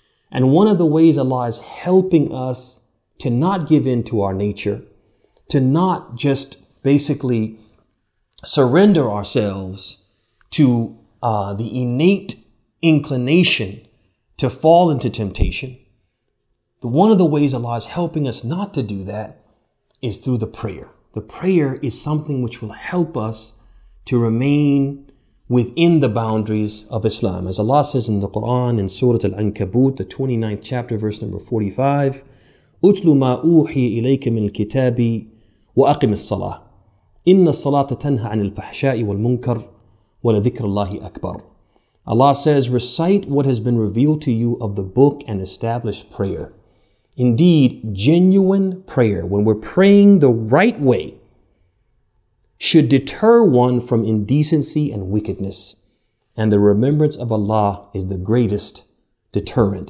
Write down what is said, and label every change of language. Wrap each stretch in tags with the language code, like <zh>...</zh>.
<en>And one of the ways Allah is helping us to not give in to our nature, to not just basically surrender ourselves to the innate inclination to fall into temptation, one of the ways Allah is helping us not to do that is through the prayer. The prayer is something which will help us to remain within the boundaries of Islam. As Allah says in the Quran, in Surah Al-Ankabut, the 29th chapter, verse number 45,</en> <ar>أُتْلُ مَا أُوحِيَ إِلَيْكَ مِنْ الْكِتَابِ وَأَقِمِ الصَّلَاةِ إِنَّ الصَّلَاةَ تَنْهَى عَنِ الْفَحْشَاءِ وَالْمُنْكَرِ وَلَذِكْرَ اللَّهِ أَكْبَرِ.</ar> <en>Allah says, recite what has been revealed to you of the book and establish prayer. Indeed, genuine prayer, when we're praying the right way, should deter one from indecency and wickedness. And the remembrance of Allah is the greatest deterrent.</en>